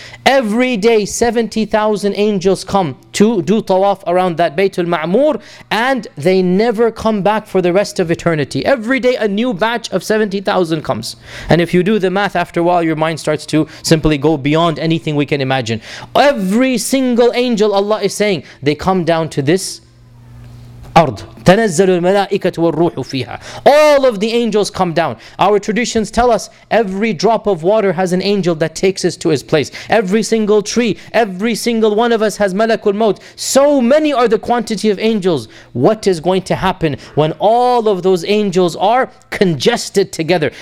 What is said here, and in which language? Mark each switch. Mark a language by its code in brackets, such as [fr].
[en] Every day 70,000 angels come to do tawaf around that Baytul Ma'mur, and they never come back for the rest of eternity. Every day a new batch of 70,000 comes. And if you do the math, after a while your mind starts to simply go beyond anything we can imagine. Every single angel, Allah is saying, they come down to this ard. [ar] تنزل الملائكة والروح فيها. [en] All of the angels come down. Our traditions tell us every drop of water has an angel that takes us to his place. Every single tree, every single one of us has malakul maut. So many are the quantity of angels. What is going to happen when all of those angels are congested together?